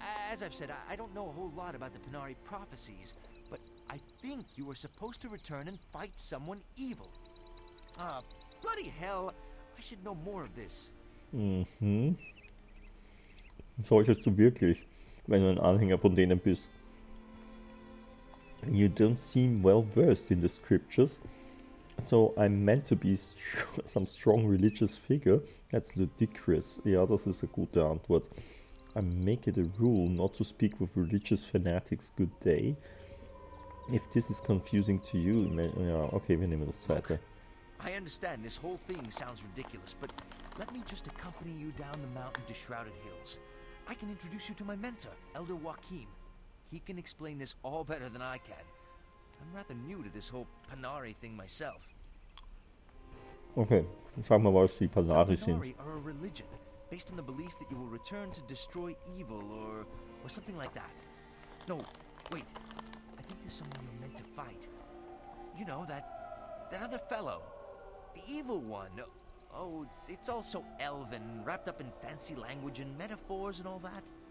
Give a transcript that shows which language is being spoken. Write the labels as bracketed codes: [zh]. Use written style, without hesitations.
[en] As I've said, I don't know a whole lot about the Penari prophecies, but I think you are supposed to return and fight someone evil. Bloody hell, I should know more of this. [de] Solltest du wirklich, wenn du ein Anhänger von denen bist. [en] You don't seem well versed in the scriptures, so I'm meant to be some strong religious figure. That's ludicrous. [de] Ja, das ist eine gute Antwort. [en] I make it a rule not to speak with religious fanatics. Good day. If this is confusing to you, okay, [de] wir nehmen das zweite. [en] I understand this whole thing sounds ridiculous, but let me just accompany you down the mountain to Shrouded Hills. I can introduce you to my mentor, Elder Joachim. He can explain this all better than I can. I'm rather new to this whole Penari thing myself. [de] Okay, sagen wir mal, was die Penari sind. [en] The Penari are a religion, based on the belief that you will return to destroy evil or something like that. No, wait. I think there's someone you're meant to fight. You know, that other fellow. The evil one. Oh, it's all so elven, wrapped up in fancy language and metaphors and all that.